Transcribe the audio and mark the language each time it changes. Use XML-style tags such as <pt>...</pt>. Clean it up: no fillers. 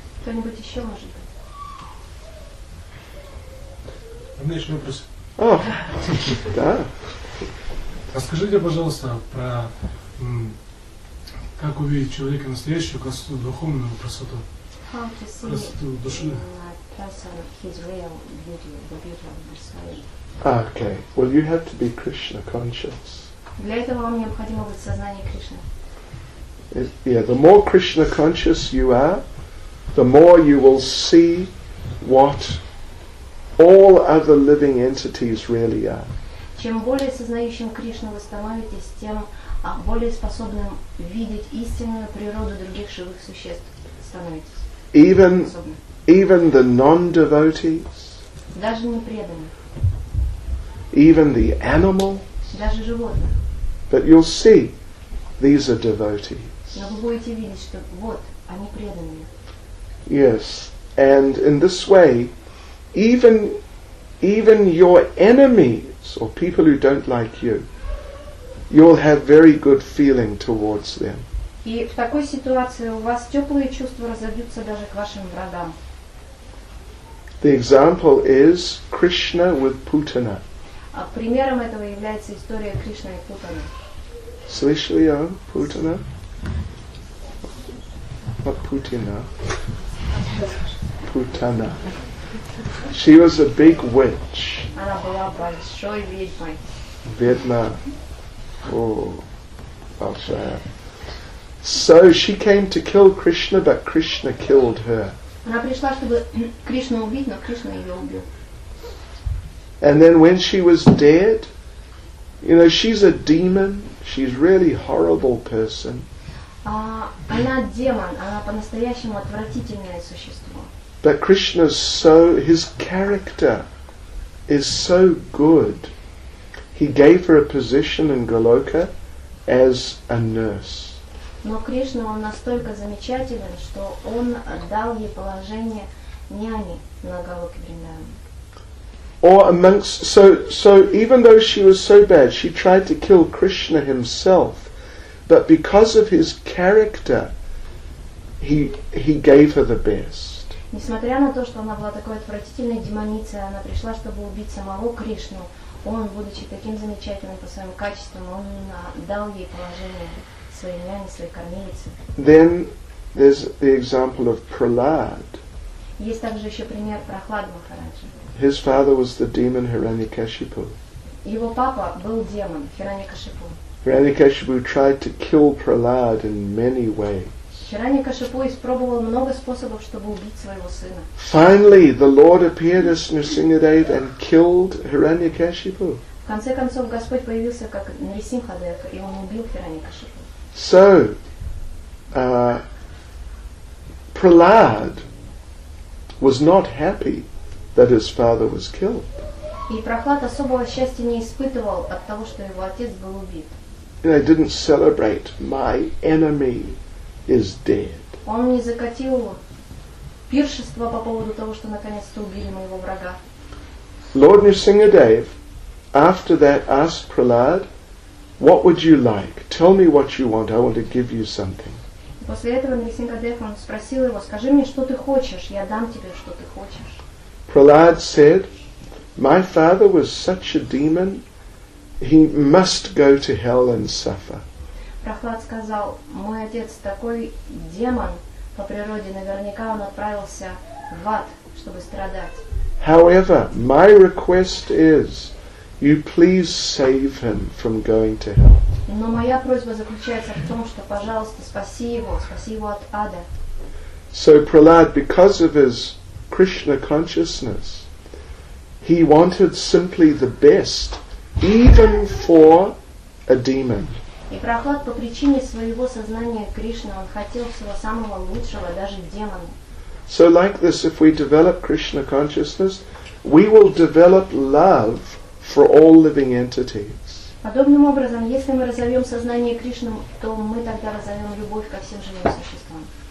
<ru>Кто-нибудь еще может быть? У меня еще вопрос. О, да. Расскажите, пожалуйста, про как увидеть человека настоящую красоту, духовную красоту.</ru> <en>How to see</en> <ru>красоту души.</ru> <en>Person, his real beauty, the beauty of the soul. Okay. Well, you have to be Krishna conscious.</en> <ru>Для этого вам необходимо быть в сознании Кришны.</ru> <en>Yeah, the more Krishna conscious you are, the more you will see what all other living entities really are.</en> <ru>Чем более сознающим Кришну вы становитесь, тем более способным видеть истинную природу других живых существ становитесь.</ru> <en>Even the non-devotees.</en> <ru>Даже непреданные.</ru> <en>Even the animals.</en> <ru>Даже животные.</ru> <en>But you'll see, these are devotees.</en> <ru>Но вы будете видеть, что вот, они преданные.</ru> <en>Yes, and in this way, even your enemies, or people who don't like you, you'll have very good feeling towards them.</en> <ru>И в такой ситуации у вас теплые чувства разобьются даже к вашим врагам.</ru> <en>The example is Krishna with Putana.</en> <ru>А примером этого является история Кришны и Путаны. Слышали о Путана?</ru> <en>Not Putina, Putana. She was a big witch.</en> <ru>Она была большой ведьмой. Ведьма. Oh, Balshaya.</ru> <en>So she came to kill Krishna, but Krishna killed her.</en> <ru>Она пришла, чтобы Кришну убить, но Кришна ее убил.</ru> <en>And then when she was dead, you know, she's a demon. She's really horrible person.</en> <ru>Она демон, она по-настоящему отвратительное существо.</ru> <en>But Krishna's his character is so good. He gave her a position in Goloka as a nurse.</en> <ru>Но Кришна, он настолько замечателен, что он дал ей положение няни на Голоке Вриндаване.</ru> <en>Or amongst, so even though she was so bad, she tried to kill Krishna himself. But because of his character, he gave her the best.</en> <ru>Несмотря на то, что она была такой отвратительной демоницей, она пришла, чтобы убить самого Кришну. Он, будучи таким замечательным по своим качествам, он дал ей положение своей няни, своей кормилицы.</ru> <en>Then there's the example of Prahlad.</en> <ru>Есть также еще пример Прахлад Махараджи.</ru> <en>His father was the demon Hiranyakashipu.</en> <ru>Его папа был демон Хираньякашипу.</ru> <en>Hiranyakashipu tried to kill Prahlad in many ways.</en> <ru>Хираньякашипу испробовал много способов, чтобы убить своего сына.</ru> <en>Finally, the Lord appeared as Nrisimhadev and killed Hiranyakashipu.</en> <ru>В конце концов, Господь появился как Нрисимхадев, и он убил Хираньякашипу.</ru> <en>So, Prahlad was not happy that his father was killed.</en> <ru>И Прохлад особого счастья не испытывал от того, что его отец был убит.</ru> <en>And I didn't celebrate. My enemy is dead.</en> <ru>Он не закатил пиршество по поводу того, что наконец-то убили моего врага.</ru> <en>Lord Nrisimhadev, after that, asked Prahlad, "What would you like? Tell me what you want. I want to give you something."</en> <ru>После этого Нрисимхадев спросил его: "Скажи мне, что ты хочешь? Я дам тебе, что ты хочешь."</ru> <en>Prahlad said, "My father was such a demon." He must go to hell and suffer.</en> <ru>Прохлад сказал: "Мой отец такой демон по природе, наверняка он отправился в ад, чтобы страдать."</ru> <en>However, my request is, you please save him from going to hell.</en> <ru>Но моя просьба заключается в том, что, пожалуйста, спаси его от ада.</ru> <en>So Prahlad, because of his Krishna consciousness, he wanted simply the best. Even for a demon.</en> <ru>И Прохлад по причине своего сознания Кришны, он хотел всего самого лучшего, даже демона.</ru> <en>So like this, if we develop Krishna consciousness, we will develop love for all living entities.</en> <ru>Подобным образом, если мы разовьем сознание Кришны, то мы тогда разовьем любовь ко всем живым существам.</ru>